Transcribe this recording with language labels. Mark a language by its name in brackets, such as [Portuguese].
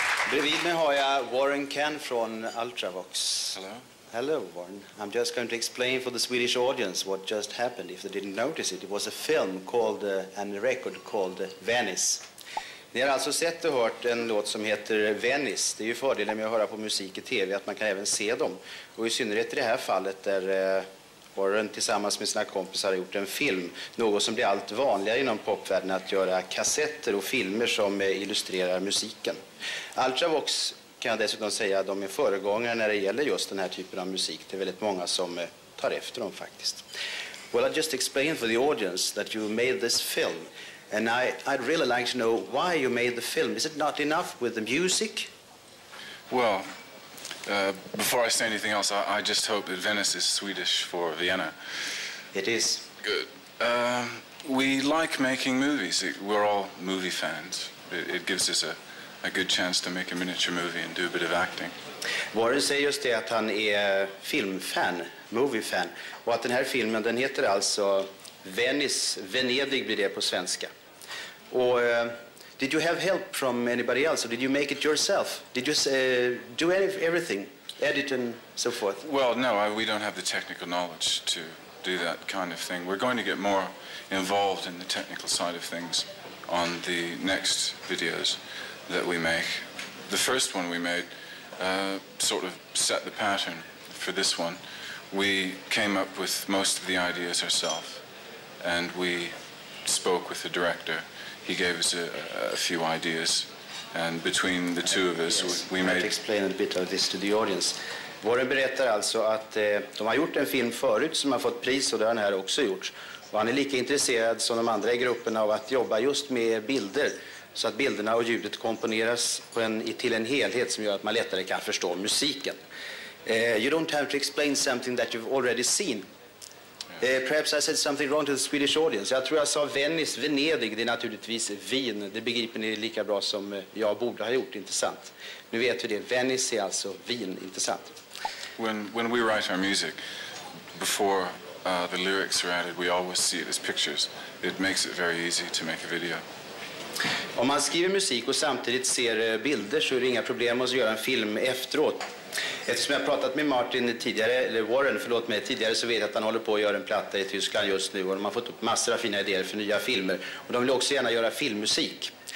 [Swedish] Bredvid mig har jag Warren Cann från Ultravox. [English] Hello. Hello, Warren. I'm just going to explain for the Swedish audience what just happened. If they didn't notice it, it was a film called and a record called Venice. [Swedish] Ni har alltså sett och hört en låt som heter Venice. Det är ju fördelen med att höra på musik i tv att man kan även se dem. Och i synnerhet i det här fallet där Warren tillsammans med sina kompisar har gjort en film. Något som blir allt vanligare inom popvärlden att göra kassetter och filmer som illustrerar musiken. Ultravox kan jag dessutom säga att de är föregångare när det gäller just den här typen av musik. Det är väldigt många som tar efter dem faktiskt. [English] Well, I just explained for the audience that you made this film. And I'd really like to know why you made the film. Is it not enough with the music? Well, before I say anything else, I just hope that Venice is Swedish for Vienna. It is. Good. We like making movies. We're all movie fans. It gives us a good chance to make a miniature movie and do a bit of acting. [Swedish] Warren säger just det att han är filmfan, movie fan, och att den här filmen den heter alltså Venice, Venedig blir det på svenska. [English] Och did you have help from anybody else or did you make it yourself? Did you do everything, edit and so forth? Well, no, we don't have the technical knowledge to do that kind of thing. We're going to get more involved in the technical side of things on the next videos that we make. The first one we made sort of set the pattern for this one. We came up with most of the ideas ourselves, and we spoke with the director. He gave us a few ideas, and between the two of us, yes, we made... Explain a bit of this to the audience. [Swedish] Warren berättar alltså att de har gjort en film förut som har fått pris, och det har den här också gjort. Och han är lika intresserad som de andra i gruppen av att jobba just med bilder, så att bilderna och ljudet komponeras på en, till en helhet som gör att man lättare kan förstå musiken. [English] You don't have to explain something that you've already seen. Perhaps I said something wrong to the Swedish audience. [Swedish] Jag tror jag sa Venice, Venedig, det är naturligtvis Wien. Det begriper ni lika bra som jag borde ha gjort, intressant. Nu vet vi det, Venice är alltså Wien, intressant. [English] When we write our music, before the lyrics are added, we always see it as pictures. It makes it very easy to make a video. [Swedish] Om man skriver musik och samtidigt ser bilder så är det inga problem att göra en film efteråt. Eftersom jag har pratat med Martin tidigare, eller Warren, förlåt mig, tidigare så vet jag att han håller på att göra en platta i Tyskland just nu. Och de har fått upp massor av fina idéer för nya filmer. Och de vill också gärna göra filmmusik.